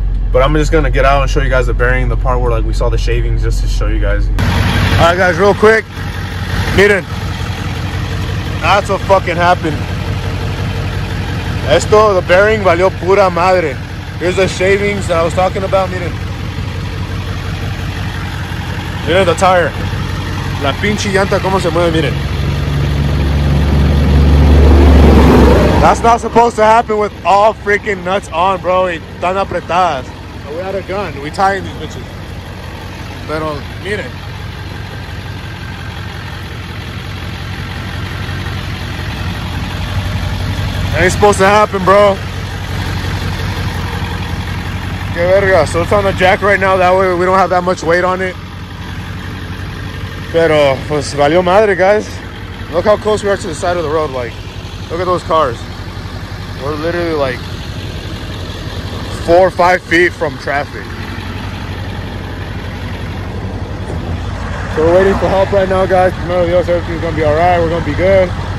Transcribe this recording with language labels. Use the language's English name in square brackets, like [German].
[English] But I'm just going to get out and show you guys the bearing, the part where, like, we saw the shavings, just to show you guys. All right, guys, real quick. Miren. That's what fucking happened. [Spanish] Esto, [English] the bearing, [Spanish] valió pura madre. [English] Here's the shavings that I was talking about, miren. Miren the tire. [Spanish] La pinche llanta, como se mueve, miren. [English] That's not supposed to happen with all freaking nuts on, bro. [Spanish] Están apretadas. [English] We had a gun. We tying these bitches. [Spanish] Pero, miren. [English] That ain't supposed to happen, bro. So it's on the jack right now, that way we don't have that much weight on it. [Spanish] Pero, pues, valió madre, guys. [English] Look how close we are to the side of the road. Like, look at those cars. We're literally like 4 or 5 feet from traffic. So we're waiting for help right now, guys. [Spanish] Primero Dios, [English] everything's gonna be alright. We're gonna be good.